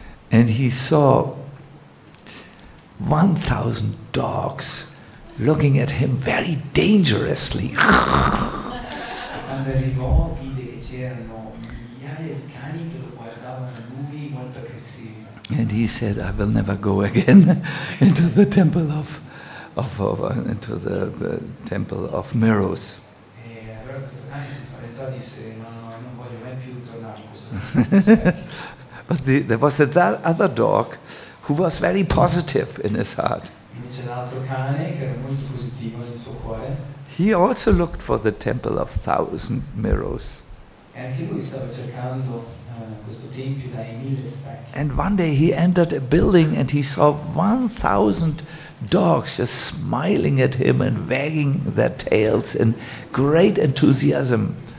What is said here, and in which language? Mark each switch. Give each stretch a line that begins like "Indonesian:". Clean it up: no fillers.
English: And he saw 1,000 dogs looking at him very dangerously.
Italian: Quando arrivò, vide che c'erano migliaia di cani che lo guardavano a lui molto aggressivi.
English: And he said, I will never go again into the temple of mirrors.
Italian: E allora questo cane si spaventò e disse, no, non voglio mai più tornare in questo.
English: But there was that other dog who was very positive in his heart.
Italian: Invece l'altro cane che era molto positivo nel suo cuore.
English: He also looked for the temple of 1,000 mirrors. And one day he entered a building and he saw 1,000 dogs just smiling at him and wagging their tails in great enthusiasm.